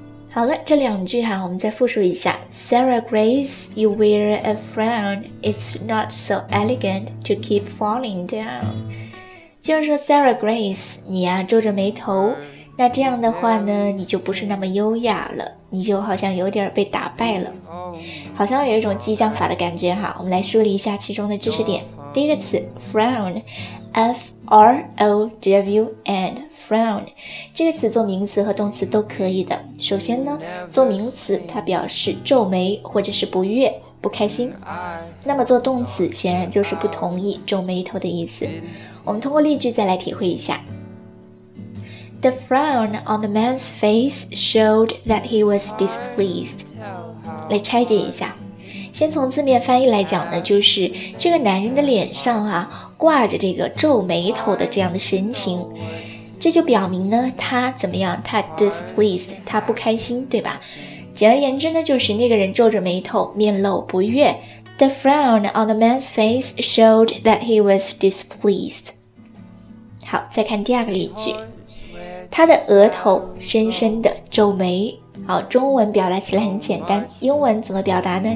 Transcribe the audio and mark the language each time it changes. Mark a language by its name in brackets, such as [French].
[Chinese] 好了，这两句哈，我们再复述一下。 [English] Sarah Grace, you wear a frown. It's not so elegant to keep falling down. [Chinese] 就是说 Sarah Grace, 你呀皱着眉头，那这样的话呢，你就不是那么优雅了，你就好像有点被打败了，好像有一种激将法的感觉哈。我们来梳理一下其中的知识点。第一个词 frown。F-R-O-W-N frown 这个词做名词和动词都可以的。首先呢，做名词它表示皱眉或者是不悦不开心，那么做动词显然就是不同意皱眉头的意思。我们通过例句再来体会一下。 [English] The frown on the man's face showed that he was displeased. [Chinese] 来拆解一下，先从字面翻译来讲呢，就是这个男人的脸上啊挂着这个皱眉头的这样的神情，这就表明呢他怎么样，他 displeased, 他不开心，对吧？简而言之呢，就是那个人皱着眉头，面露不悦。 [English] The frown on the man's face showed that he was displeased. [Chinese] 好，再看第二个例句，他的额头深深的皱眉。好，中文表达起来很简单，英文怎么表达呢？